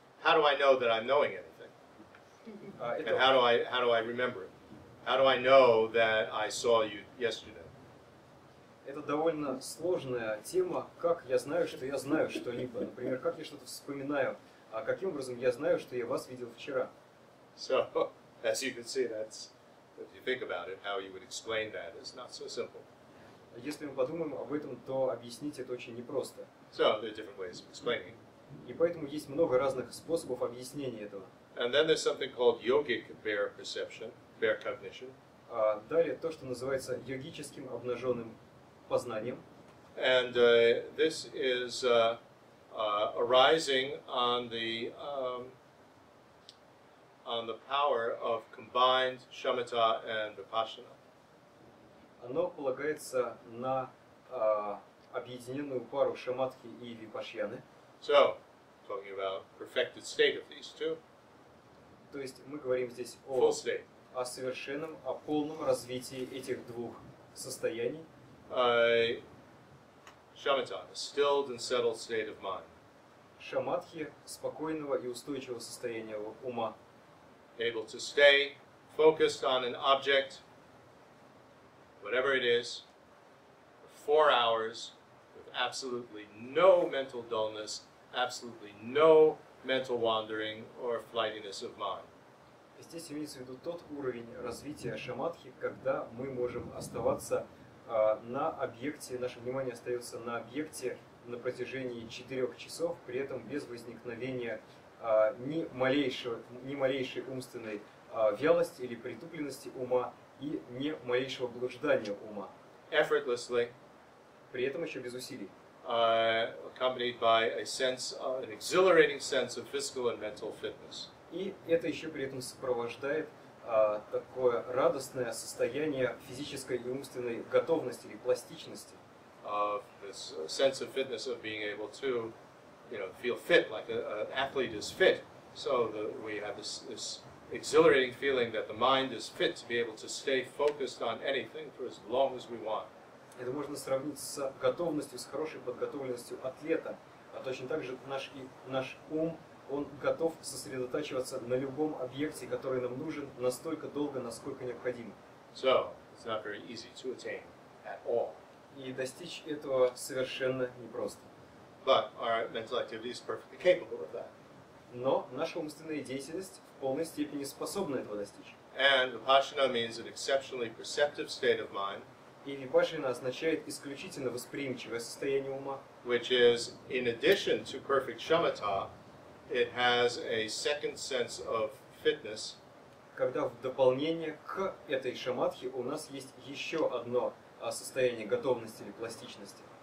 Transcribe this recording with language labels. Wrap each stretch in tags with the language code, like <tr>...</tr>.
<en>How do I know that I'm knowing anything? And how do I remember it? How do I know that I saw you yesterday?</en> <ru>Это довольно сложная тема. Как я знаю, что я знаю что-либо? Например, как я что-то вспоминаю? А каким образом я знаю, что я вас видел вчера?</ru> <en>So, as you can see, that's if you think about it, how you would explain that is not so simple.</en> <ru>Если мы подумаем об этом, то объяснить это очень непросто.</ru> <en>So, there are different ways of explaining.</en> <ru>И поэтому есть много разных способов объяснения этого.</ru> <en>And then there's something called yogic bare perception. Bare cognition.</en> <ru>Далее то, что называется йогическим обнаженным познанием.</ru> <en>And this is arising on the power of combined shamatha and vipassana.</en> <ru>Оно полагается на объединенную пару шаматхи и випашьяны.</ru> <en>So, talking about perfected state of these two.</en> <ru>То есть мы говорим здесь о</ru> <en>full state.</en> <ru>О совершенном, о полном развитии этих двух состояний.</ru> <en>Shamatha, a stilled and settled state of mind.</en> <ru>Шамадхи, спокойного и устойчивого состояния ума.</ru> <en>Able to stay focused on an object whatever it is, for 4 hours with absolutely no mental dullness, absolutely no mental wandering or flightiness of mind.</en> <ru>Здесь имеется в виду тот уровень развития шамадхи, когда мы можем оставаться на объекте, наше внимание остается на объекте на протяжении 4 часов, при этом без возникновения ни малейшей умственной вялости или притупленности ума и ни малейшего блуждания ума.</ru> <en>Effortlessly.</en> <ru>При этом еще без усилий.</ru> <en>Accompanied by a sense, an exhilarating sense of physical and mental fitness.</en> <ru>И это еще при этом сопровождает такое радостное состояние физической и умственной готовности или пластичности.</ru> <en>Of this sense of fitness of being able to, you know, feel fit, like an athlete is fit. So we have this exhilarating feeling that the mind is fit to be able to stay focused on anything for as long as we want.</en> <ru>Это можно сравнить с готовностью, с хорошей подготовленностью атлета. А точно так же наш ум, он готов сосредотачиваться на любом объекте, который нам нужен, настолько долго, насколько необходимо.</ru> <en>So, it's not very easy to attain at all.</en> <ru>И достичь этого совершенно непросто.</ru> <en>But our mental activity is perfectly capable of that.</en> <ru>Но наша умственная деятельность в полной степени способна этого достичь.</ru> <en>And vipassana means an exceptionally perceptive state of mind.</en> <ru>И випашина означает исключительно восприимчивое состояние ума.</ru> <en>Which is, in addition to perfect shamatha, it has a second sense of fitness.</en> <ru>Когда в дополнение к этой шамадхе у нас есть еще одно состояние готовности или пластичности.</ru>